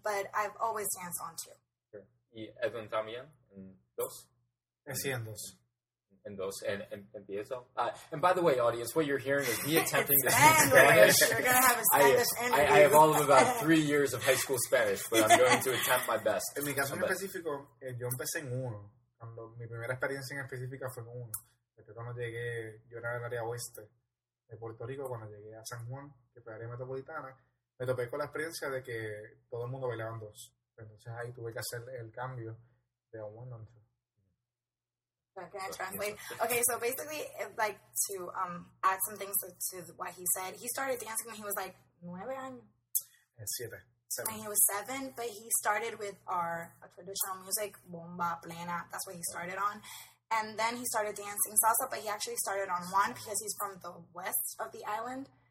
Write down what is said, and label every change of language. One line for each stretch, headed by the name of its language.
English: But I've always danced on two. Sure.
Spanish: ¿Y Edwin también? ¿En dos? Sí, en dos.
English: And those and
Spanish: empiezo.
English: And by the way, audience, what you're hearing is me attempting it's to speak Spanish. You're gonna have a Spanish I have all of about 3 years of high school Spanish, but I'm going to attempt my best.
Spanish: En mi caso en específico, yo empecé en uno. Cuando mi primera experiencia en específica fue en uno. Porque cuando llegué, yo era del área oeste de Puerto Rico, cuando llegué a San Juan, que fue área metropolitana, me topé con la experiencia de que todo el mundo bailaba en dos. Entonces ahí tuve que hacer el cambio de a uno en
English: Can I translate? Okay, so basically, like, to add some things to what he said, he started dancing when he was, like, 9 años.
Spanish: Siete.
English: Seven. When he was 7, but he started with our traditional music, bomba, plena, that's what he started on. And then he started dancing salsa, but he actually started on one because he's from the west of the island.